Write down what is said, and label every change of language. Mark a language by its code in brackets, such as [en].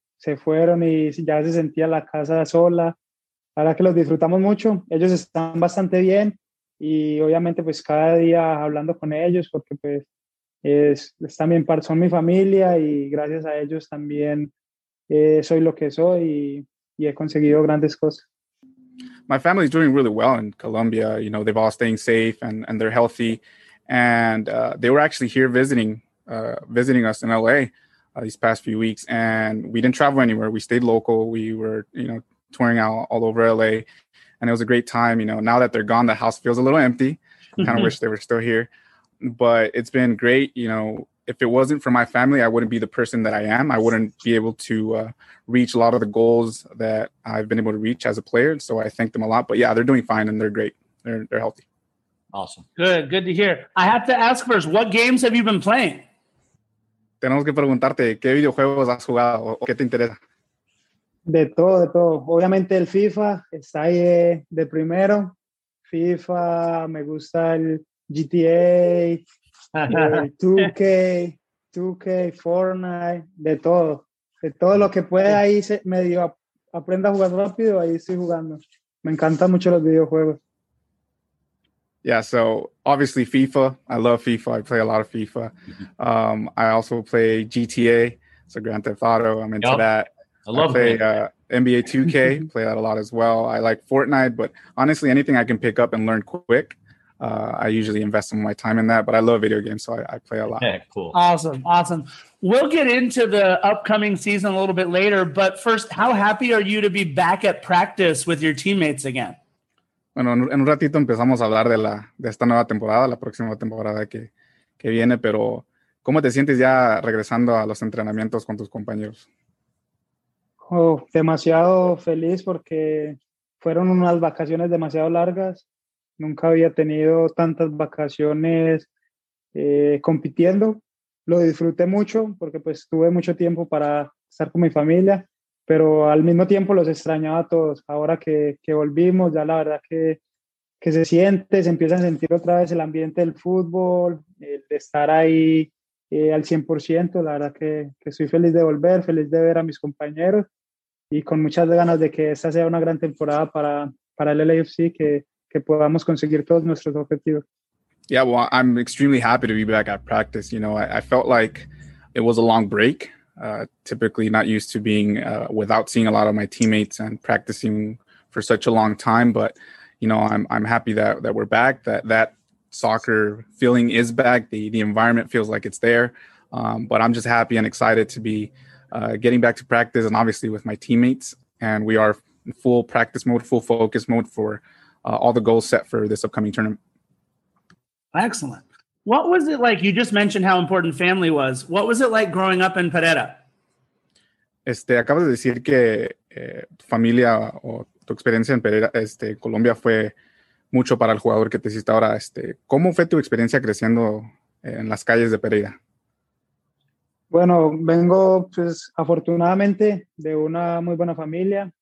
[es] Se fueron y ya se sentía la casa sola. La verdad que los disfrutamos mucho. Ellos están bastante bien. Y obviamente pues cada día hablando con ellos porque pues es también son mi familia y gracias a ellos también soy lo que soy y he conseguido grandes cosas. [en] My family is doing really well in Colombia. You know, they've all staying safe and they're healthy. And they were actually here visiting us in LA these past few weeks. And we didn't travel anywhere. We stayed local. We were, you know, touring out all over LA. And it was a great time, you know. Now that they're gone, the house feels a little empty. I kind of wish they were still here. But it's been great, you know. If it wasn't for my family, I wouldn't be the person that I am. I wouldn't be able to reach a lot of the goals that I've been able to reach as a player. So I thank them a lot. But yeah, they're doing fine and they're great. They're healthy. Awesome. Good to hear. I have to ask first, what games have you been playing? [es] Tenemos que preguntarte, ¿qué videojuegos has jugado o qué te interesa? De todo. Obviamente el FIFA está ahí de primero. FIFA, me gusta el GTA, el 2K, Fortnite, de todo. De todo lo que pueda ahí medio aprenda a jugar rápido, ahí estoy jugando. Me encantan mucho los videojuegos. [en] Yeah, so obviously FIFA. I love FIFA. I play a lot of FIFA. I also play GTA. So Grand Theft Auto, I'm into that. I love play NBA 2K, play that a lot as well. I like Fortnite, but honestly, anything I can pick up and learn quick, I usually invest some of my time in that. But I love video games, so I play a lot. Yeah, cool. Awesome. We'll get into the upcoming season a little bit later, but first, how happy are you to be back at practice with your teammates again? [es] Bueno, en un ratito empezamos a hablar de esta nueva temporada, la próxima temporada que viene, pero ¿cómo te sientes ya regresando a los entrenamientos con tus compañeros? Oh, demasiado feliz porque fueron unas vacaciones demasiado largas. Nunca había tenido tantas vacaciones compitiendo. Lo disfruté mucho porque pues tuve mucho tiempo para estar con mi familia. pero al mismo tiempo los extrañaba a todos. Ahora que volvimos, ya la verdad que se siente, se empieza a sentir otra vez el ambiente del fútbol, el de estar ahí al 100%. La verdad que estoy feliz de volver, feliz de ver a mis compañeros y con muchas ganas de que esta sea una gran temporada para el LAFC, que podamos conseguir todos nuestros objetivos. [en] Yeah, well, I'm extremely happy to be back at practice. You know, I felt like it was a long break. Typically not used to being without seeing a lot of my teammates and practicing for such a long time. But, you know, I'm happy that we're back, that soccer feeling is back. The environment feels like it's there. But I'm just happy and excited to be getting back to practice, and obviously with my teammates. And we are in full practice mode, full focus mode for all the goals set for this upcoming tournament. Excellent. What was it like? You just mentioned how important family was. What was it like growing up in Pereira? [es] Acabas de decir que familia o tu experiencia en Pereira, Colombia fue mucho para el jugador que te hiciste ahora. ¿Cómo fue tu experiencia creciendo en las calles de Pereira? Bueno, vengo pues afortunadamente de una muy buena familia.